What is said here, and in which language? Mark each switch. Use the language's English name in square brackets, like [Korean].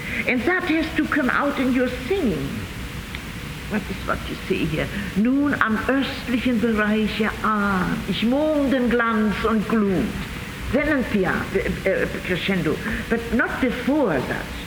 [English] And that has to come out in your singing. That is what you see here. [German] Nun am östlichen Bereich erahn ich Mondenglanz und Glut. [English] Then and crescendo, but not before that.